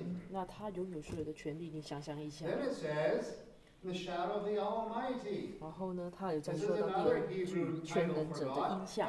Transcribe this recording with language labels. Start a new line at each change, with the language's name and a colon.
Chinese: 那他拥有所有的权利，你想想一下。
English: Then it says, the shadow of the Almighty.
Chinese: 然后呢，他有在说到第二句，全能者的荫下。